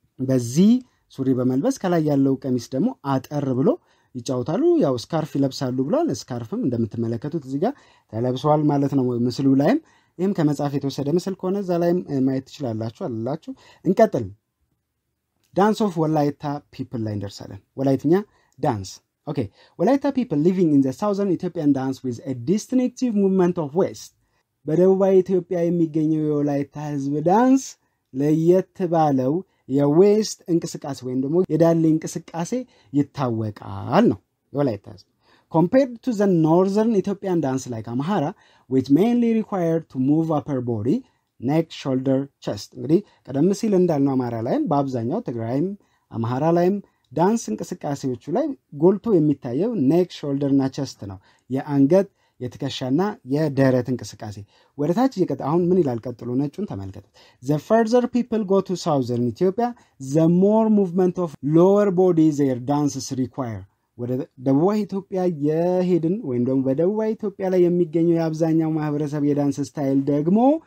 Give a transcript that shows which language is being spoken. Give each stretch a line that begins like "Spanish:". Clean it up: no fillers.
Amharic: በዚህ ሱሪ በመልበስ ከላይ ያለው ቀሚስ ደግሞ አጠር ብሎ ይጫውታሉ ያው ስካርፍ ይለብሳሉ ብሏል ስካርፍም እንደምትመለከቱት እዚህ ጋር ተለብሷል ማለት ነው ምስሉ ላይም ይሄም ከመጻፉ የተወሰደ ምስል ከሆነ እዛ ላይ ማየት ትችላላችሁ አላላችሁ እንቀጥል dance of wolayta people ላይ እንደርሳለን wolaytኛ dance
English: Okay, Wolayta people living in the southern Ethiopian dance with a distinctive movement of waist.
Amharic: በደቡባዊ ኢትዮጵያ የሚገኘው የወላይታ ህዝብ ዳንስ ለየት ባለው የwaist እንቅስቃሴ ወይንም ደግሞ የዳሌ እንቅስቃሴ ይታወቃል ነው የወላይታ ህዝብ.
English: Compared to the northern Ethiopian dance like Amhara, which mainly required to move upper body, neck, shoulder, chest.
Amharic: እንግዲህ ቀደም ሲል እንዳልነው አማራ ላይም በአብዛኛው ትግራይም አምሃራ ላይም ዳንስ እንቅስቃሴዎቹ ላይ ጎልቶ የሚታየው neck shoulder እና chest ነው የአንገት የትከሻና የደረት እንቅስቃሴ ወደ ታች እየቀጠ አሁን ምን ይላል ቀጥሎ ነጭን ተመልከቱ
English: the further people go to southern ethiopia the more movement of lower body their dances require
Amharic: ወደ ደቡብ ኢትዮጵያ የሄድን ወይንም ደግሞ በደቡብ ኢትዮጵያ ላይ የሚገኘው የአብዛኛው ማህበረሰብ የዳንስ ስታይል ደግሞ